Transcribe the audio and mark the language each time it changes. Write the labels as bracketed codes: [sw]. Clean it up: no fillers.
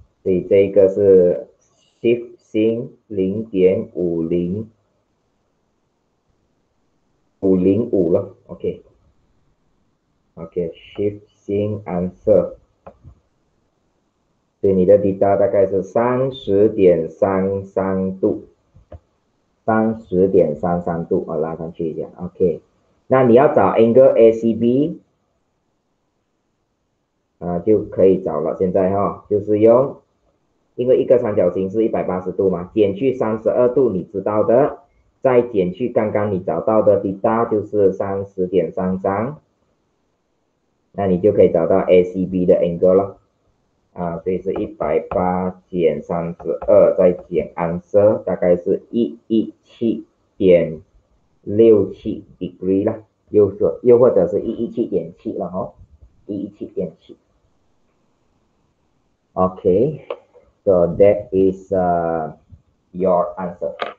[zh] 所以这一个是 shift sin 0.505了。 OK，shift sin answer，所以你的 theta 大概是30.33度，30.33度，我拉上去一下。 OK，那你要找 angle ACB。就可以找了。现在就是用，因为一个三角形是180度嘛，减去32度，你知道的，再减去刚刚你找到的 theta 就是30.33，那你就可以找到 ACB 的 angle 了。所以是180减32，再减 answer，大概是117.67 degree 了，又或者是117.7了哦，117.7。 [en] Okay, so that is your answer.